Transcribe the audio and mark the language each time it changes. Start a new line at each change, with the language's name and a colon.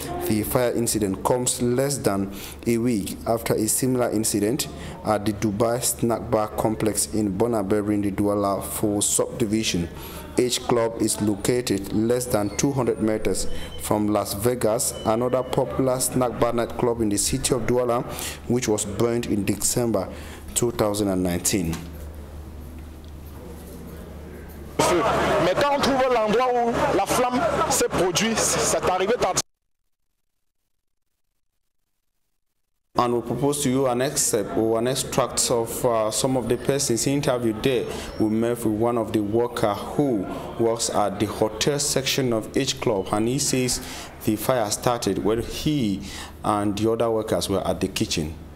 English: The fire incident comes less than a week after a similar incident at the Dubai Snack Bar Complex in Bonaberry in the Douala 4 subdivision. H Club is located less than 200 meters from Las Vegas, another popular snack bar nightclub in the city of Douala, which was burned in December 2019.
French: Mais quand on trouve l'endroit où la flamme s'est produite, c'est arrivé tard.
English: And we'll propose to you an excerpt or an extract of some of the persons interviewed there. We met with one of the worker who works at the hotel section of H Club, and he says the fire started when he and the other workers were at the kitchen.